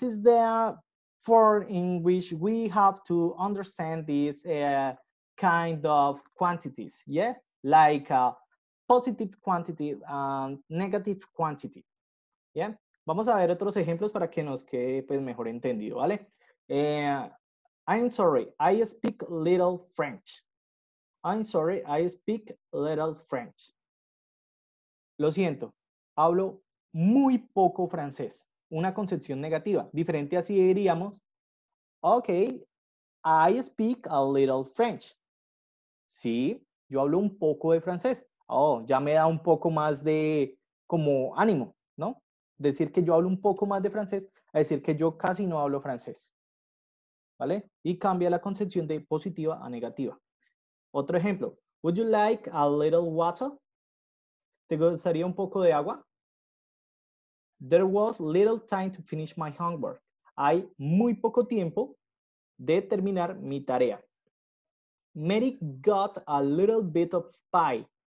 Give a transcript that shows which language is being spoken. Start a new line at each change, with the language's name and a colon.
English: this is the form in which we have to understand these kind of quantities, yeah, like positive quantity and negative quantity, yeah.
Spanish: Vamos a ver otros ejemplos para que nos quede pues mejor entendido, ¿vale?
English: I'm sorry, I speak little French.
Spanish: Lo siento, hablo muy poco francés. Una concepción negativa. Diferente así diríamos,
English: ok, I speak a little French.
Spanish: Sí, yo hablo un poco de francés. Oh, ya me da un poco más de como ánimo, ¿no? Decir que yo hablo un poco más de francés a decir que yo casi no hablo francés. ¿Vale? Y cambia la concepción de positiva a negativa. Otro ejemplo.
English: Would you like a little water?
Spanish: ¿Te gustaría un poco de agua?
English: There was little time to finish my homework.
Spanish: Hay muy poco tiempo de terminar mi tarea.
English: Mary got a little bit of pie.